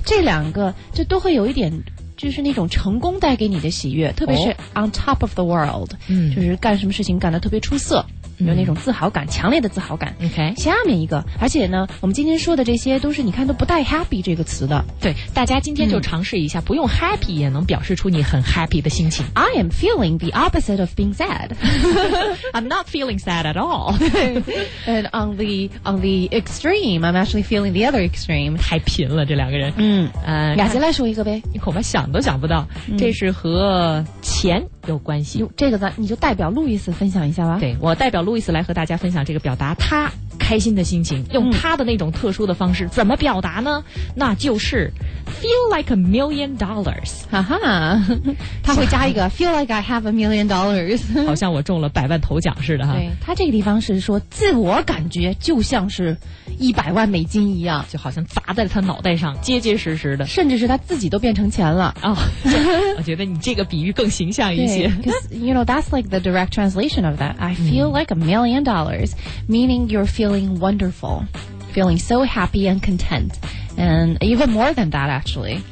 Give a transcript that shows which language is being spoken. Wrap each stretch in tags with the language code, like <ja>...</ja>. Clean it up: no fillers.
<zh>这两个就都会有一点。就是那种成功带给你的喜悦，特别是 on top of the world、哦、就是干什么事情干得特别出色、嗯、有那种自豪感，强烈的自豪感。</zh> <en>OK，</en> <zh>下面一个，而且呢我们今天说的这些都是你看都不带 happy 这个词的。对，大家今天就尝试一下、嗯、不用 happy 也能表示出你很 happy 的心情。</zh> <en>I am feeling the opposite of being sad. I'm not feeling sad at all. And on the extreme, I'm actually feeling the other extreme.</en> <zh>太贫了这两个人。嗯，雅洁来说一个呗。你恐怕想都想不到、嗯、这是和钱有关系。这个咱你就代表路易斯分享一下吧。对，我代表路易斯来和大家分享这个表达他开心的心情，用他的那种特殊的方式、嗯、怎么表达呢？那就是 feel like $1 million。</zh> <en>哈哈，他会加一个 feel like I have $1 million。</en> <zh>好像我中了百万头奖似的哈。对，他这个地方是说自我感觉就像是$100万一样，就好像砸在他脑袋上结结实实的，甚至是他自己都变成钱了啊、哦！我觉得你这个比喻更形象一些。</zh> <en>Because, you know, that's like the direct translation of that. I feel、嗯、like $1 million, meaning you're feeling wonderful, feeling so happy and content, and even more than that, actually.、</en>